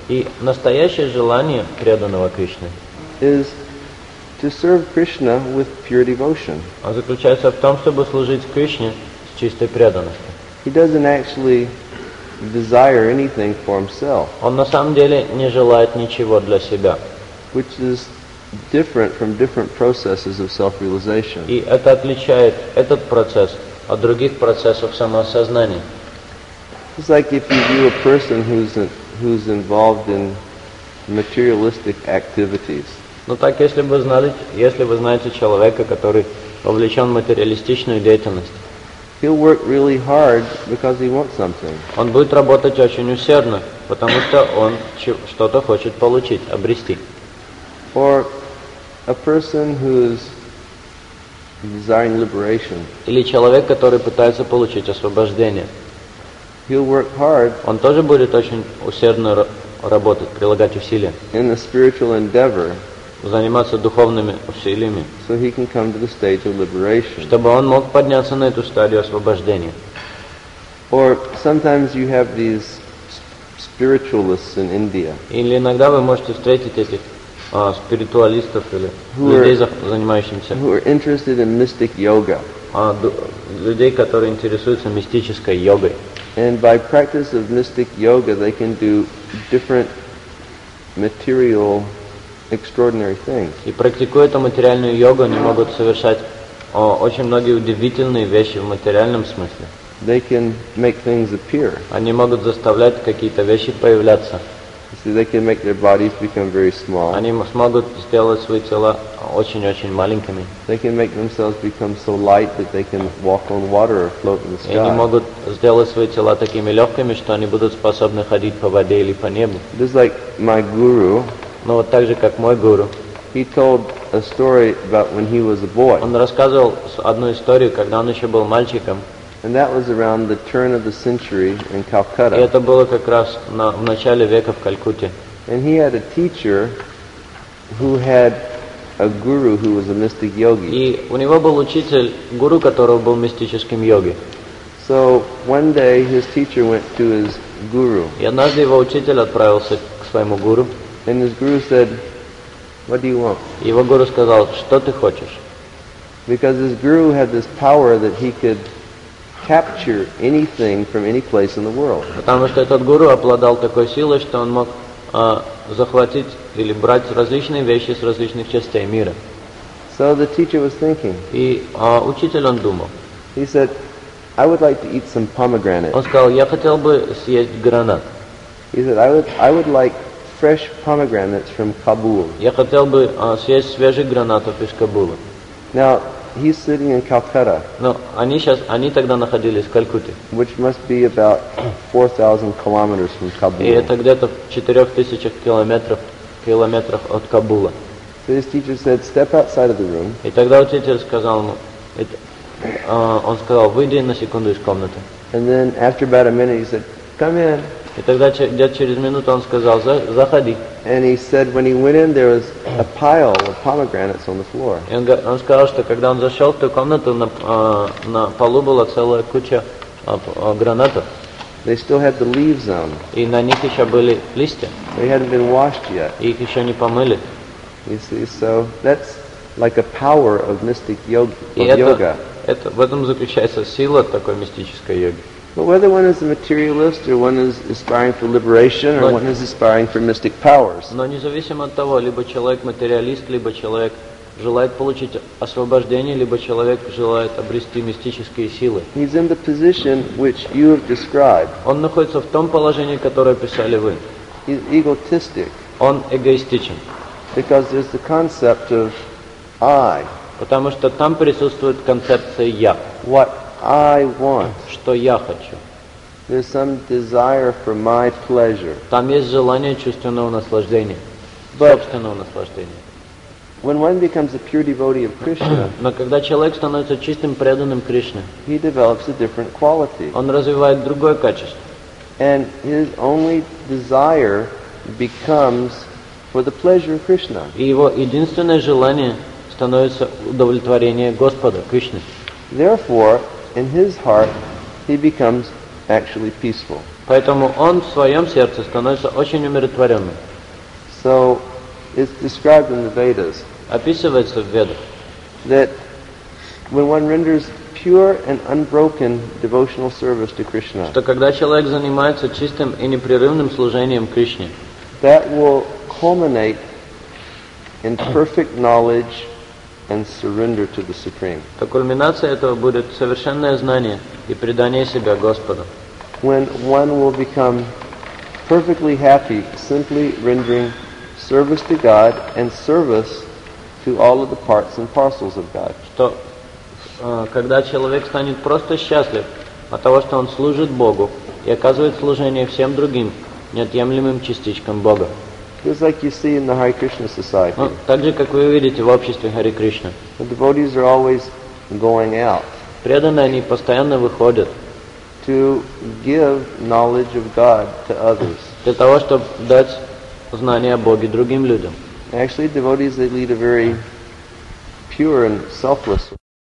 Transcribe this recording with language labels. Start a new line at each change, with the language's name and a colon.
Russian: и настоящее желание преданного Кришны,
English: is to serve Krishna with pure devotion.
Russian: Он заключается в том, чтобы служить Кришне с чистой преданностью.
English: He doesn't actually desire anything for himself.
Russian: Он на самом деле не желает ничего для себя.
English: Which is different from different processes of self-realization.
Russian: И это отличает этот процесс от других процессов самоосознания.
English: It's like if you view a person who's involved in materialistic activities.
Russian: Но так, если вы знаете человека, который вовлечен в материалистичную деятельность.
English: He'll work really hard because he wants something.
Russian: Он будет работать очень усердно, потому что он что-то хочет получить, обрести.
English: Or a person who's desiring liberation.
Russian: Или человек, который пытается получить освобождение.
English: He'll work hard.
Russian: Он тоже будет очень усердно работать, прилагать усилия.
English: In a spiritual endeavor.
Russian: Заниматься духовными усилиями.
English: So he can come to the stage of liberation.
Russian: Чтобы он мог подняться на эту стадию освобождения.
English: Or sometimes you have these spiritualists in India.
Russian: Или иногда вы можете встретить этих спиритуалистов или людей, занимающихся,
English: who are interested in mystic yoga,
Russian: людей, которые интересуются мистической йогой,
English: and by practice of mystic yoga they can do different material extraordinary things.
Russian: И практикуя эту материальную йогу, они могут совершать очень многие удивительные вещи в материальном смысле.
English: They can make things appear.
Russian: Они могут заставлять какие-то вещи появляться.
English: See, they can make their bodies become very small.
Russian: Они смогут сделать свои тела очень-очень маленькими.
English: They can make themselves become so light that they can walk on water or float in the sky.
Russian: Они могут сделать свои тела такими легкими, что они будут способны ходить по воде или по небу.
English: Just like my guru.
Russian: Но вот так же, как мой гуру.
English: He told a story about when he was a boy.
Russian: Он рассказывал одну историю, когда он еще был мальчиком.
English: And that was around the turn of the century in Calcutta.
Russian: И это было как раз в начале века в Калькутте.
English: And he had a teacher who had a guru who was a mystic yogi.
Russian: И у него был учитель, гуру которого был мистическим йоги.
English: So one day his teacher went to his guru.
Russian: И однажды его учитель отправился к своему гуру.
English: And his guru said, "What do you want?"
Russian: И его гуру сказал, что ты хочешь?
English: Because his guru had this power that he could capture anything from any place in the world.
Russian: Потому что этот гуру обладал такой силой, что он мог захватить или брать различные вещи с различных частей мира.
English: So the teacher was thinking.
Russian: И учитель он думал.
English: He said, "I would like to eat some pomegranate."
Russian: Он сказал, я хотел бы съесть гранат.
English: He said, "I would like fresh pomegranates from Kabul."
Russian: Я хотел бы съесть свежих гранатов из Кабула.
English: Now, he's sitting in Calcutta.
Russian: No, они тогда находились в Калькутте.
English: Which must be about 4,000 kilometers from Kabul.
Russian: И это где-то в 4,000 километрах от Кабула.
English: So his teacher said, "Step outside of the room."
Russian: И тогда учитель сказал ему, он сказал, выйди на секунду из комнаты.
English: And then after about a minute, he said, "Come in."
Russian: И тогда через минуту он сказал: "Заходи".
English: And he said when he went in there was a pile of pomegranates on the floor.
Russian: И он сказал, что когда он зашёл в ту комнату, на полу была целая куча гранатов.
English: They still had the leaves on.
Russian: И на них ещё были листья.
English: They hadn't been washed yet.
Russian: Их ещё не помыли.
English: You see, so that's like a power of mystic yoga.
Russian: Это в этом заключается сила такой мистической йоги.
English: But whether one is a materialist or one is aspiring for liberation or one is aspiring for mystic powers.
Russian: Но независимо от того, либо человек материалист, либо человек желает получить освобождение, либо человек желает обрести мистические силы.
English: He's in the position which you have described.
Russian: Он находится в том положении, которое описали вы.
English: He's egotistic.
Russian: Он эгоистичен.
English: Because there's the concept of I.
Russian: Потому что там присутствует концепция я.
English: What I want.
Russian: Что я хочу.
English: There's some desire for my pleasure.
Russian: Там есть желание чувственного наслаждения. Собственного наслаждения.
English: When one becomes a pure devotee of Krishna,
Russian: но когда человек становится чистым преданным Кришне,
English: he develops a different quality.
Russian: Он развивает другое качество.
English: And his only desire becomes for the pleasure of Krishna.
Russian: И его единственное желание становится удовлетворение Господа Кришны.
English: Therefore, in his heart, he becomes actually peaceful.
Russian: Поэтому он в своем сердце становится очень умиротворенным.
English: So, it's described in the Vedas.
Russian: Описывается в Ведах.
English: That when one renders pure and unbroken devotional service to Krishna.
Russian: Что когда человек занимается чистым и непрерывным служением Кришне.
English: That will culminate in perfect knowledge and surrender to the Supreme.
Russian: То кульминация этого будет совершенное знание и предание себя Господу.
English: When one will become perfectly happy simply rendering service to God and service to all of the parts and parcels of God.
Russian: Что когда человек станет просто счастлив от того, что он служит Богу и оказывает служение всем другим неотъемлемым частичкам Бога.
English: Just like you see in the Hare Krishna society.
Russian: Ну, так же, как вы видите в обществе Hare Krishna.
English: The devotees are always going out.
Russian: Преданные они постоянно выходят.
English: To give knowledge of God to others.
Russian: Для того, чтобы дать знания о Боге другим людям.
English: Actually, devotees they lead a very pure and selfless life.